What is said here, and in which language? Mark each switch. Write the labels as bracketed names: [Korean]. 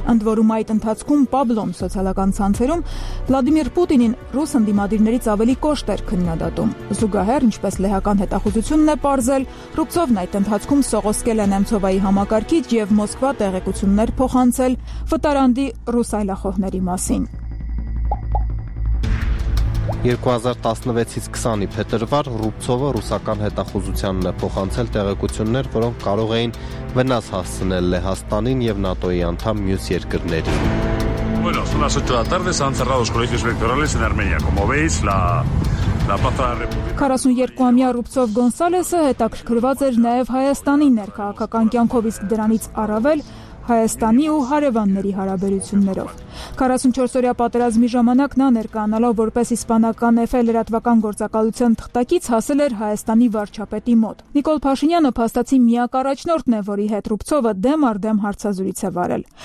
[Armenian] Ընդ որում այդ ընթացքում Պաբլոն սոցիալական ցանցերում Վլադիմիր Պուտինին ռուսընդդիմադիրներից ավելի կոշտ էր քննադատում։ Զուգահեռ ինչպես լեհական հետախուզությունն է պարզել, Ռուբցովն այդ ընթացքում սողոսկել է Նեմցովայի համակարգից և Մոսկվա տեղեկություններ փոխանցել վտարանդի ռուսայլախոհների մասին։ 2016-ից 20-ի փետրվար Ռուբցովը ռուսական հետախուզությանն է փոխանցել տեղեկություններ, որոնք կարող էին վնաս հասցնել Լեհաստանին եւ ՆԱՏՕ-ի անդամ մյուս երկրներին։ [Spanish] Bueno, son las 8 de la tarde, se han cerrado los colegios electorales en Armenia. Como veis, la paz de la República. [Armenian] 42-ամյա Ռուբցով Գոնսալեսը հետաքրքրված էր նաև Հայաստանի ներքաղաքական կյանքով, իսկ դրանից առավել Հայաստանի ու հարևանների հարաբերություններով։ 44-օրյա պատերազմի ժամանակ նա ներկայանալով որպես իսպանական Էֆե լրատվական գործակալության թղթակից հասել էր Հայաստանի վարչապետի մոտ։ Նիկոլ Փաշինյանը փաստացի միակ առաջնորդն է, որի հետ Ռուբցովը դեմ առ դեմ հարցազրույց է վարել։